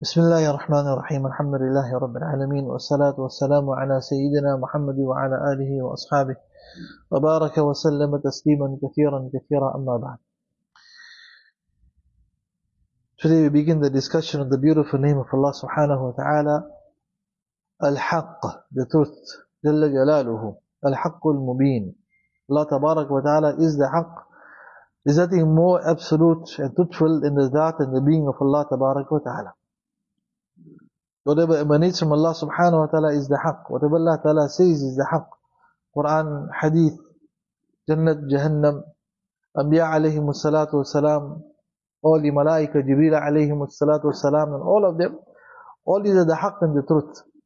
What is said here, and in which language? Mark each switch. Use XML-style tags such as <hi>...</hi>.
<ar>بسم الله الرحمن الرحيم، الحمد لله رب العالمين، والصلاة والسلام على سيدنا محمد وعلى آله وأصحابه وبارك وسلم تسليما كثيرا كثيرا، أما بعد.</ar> <en>Today we begin the discussion of the beautiful name of Allah سبحانه وتعالى.</en> <ar>الحق،</ar> <en>the truth،</en> <ar>جل جلاله، الحق المبين.</ar> <en>Allah تبارك وتعالى is the حق. Is nothing more absolute and truthful than the ذات and the being of Allah تبارك وتعالى. Whatever emanates from Allah subhanahu wa ta'ala is the haqq. Whatever Allah ta'ala says is the haqq. Quran, hadith, jannat, jahannam, anbiya alayhimu salatu wa salam, all the malaika, jibreel alayhimu salatu wa salam, and all of them, all these are the haqq and the truth.</en>